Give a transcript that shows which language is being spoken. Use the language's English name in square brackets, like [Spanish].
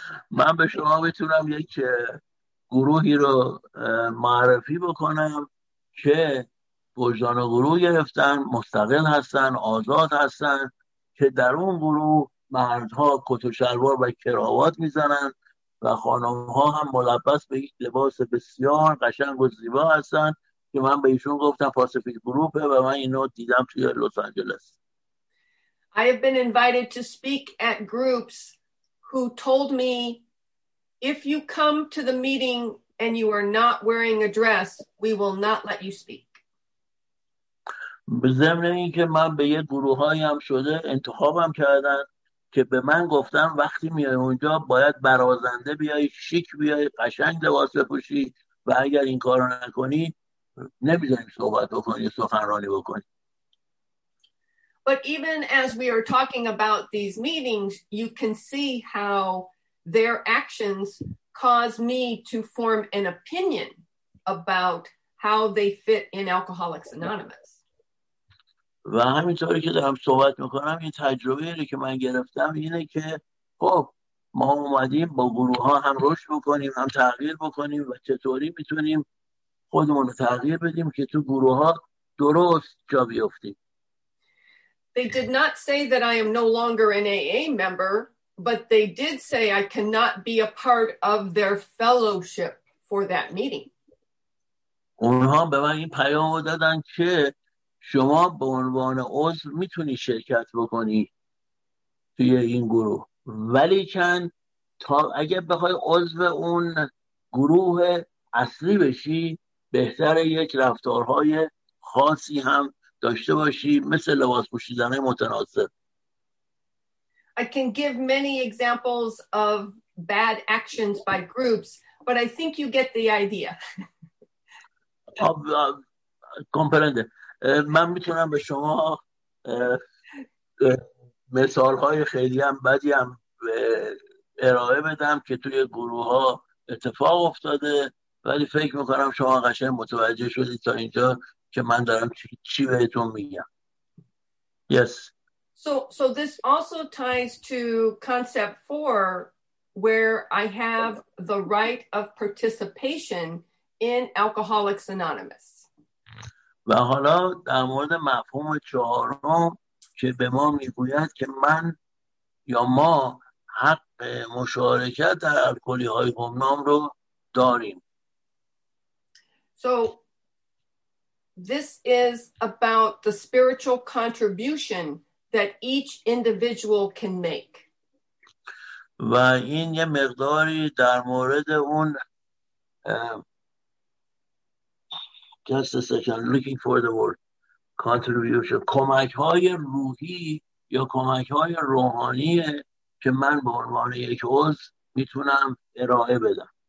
[Persian] من به شما میتونم یک گروهی رو معرفی بکنم که وجدان و گروه گرفتن، مستقل هستن، آزاد هستن، که در اون گروه مردها کت و شلوار و کراوات میزنن و خانمها هم ملبس به یک لباس بسیار قشنگ و زیبا هستن که من به ایشون گفتم پاسیفیک گروپه و من اینو دیدم توی لس آنجلس. [English] I have been invited to speak at groups who told me, if you come to the meeting and you are not wearing a dress, we will not let you speak. [Persian] به ضمن اینکه من به یه گروهایی هم شده انتخابم کردن که به من گفتن وقتی میای اونجا باید برازنده بیای، شیک بیای، قشنگ لباس بپوشی و اگر این کارو نکنی نمیذاریم صحبت بکنی، سخنرانی بکنی. [English] But even as we are talking about these meetings, you can see how their actions cause me to form an opinion about how they fit in Alcoholics Anonymous. [Persian] و همینطوری که دارم صحبت میکنم، این تجربه ای که من گرفتم اینه که خب ما اومدیم با گروه ها هم رشد بکنیم، هم تغییر بکنیم و چطوری میتونیم خودمون رو تغییر بدیم که تو گروه ها درست جا بیافتیم. [English] They did not say that I am no longer an AA member, but they did say I cannot be a part of their fellowship for that meeting. [Persian] اونها به من این پیامو دادن که شما به عنوان عضو میتونی شرکت بکنی توی این گروه، ولی چن تا اگه بخوای عضو اون گروه اصلی بشی بهتر یک رفتارهای خاصی هم داشته باشی، مثل لباس پوشیدن متناسب. [English] I can give many examples of bad actions by groups, but I think you get the idea. [Spanish] Comprende. [Persian] من میتونم به شما مثال های خیلی هم بدی هم ارائه بدم که توی گروه ها اتفاق افتاده، ولی فکر میکنم شما قشنگ متوجه شدید تا اینجا که من دارم چی بهتون میگم. [English] Yes. So this also ties to concept 4 where I have the right of participation in Alcoholics Anonymous. [Persian] و حالا در مورد مفهوم چهارم که به ما میگوید که من یا ما حق مشارکت در الکلی های گمنام رو داریم. [English] So this is about the spiritual contribution that each individual can make. [Persian] و این یه مقداری در مورد اون [English] just a second, looking for the word contribution, [Persian] کمک های روحی یا کمک های روحانی که من به عنوان یک عضو میتونم ارائه بدم.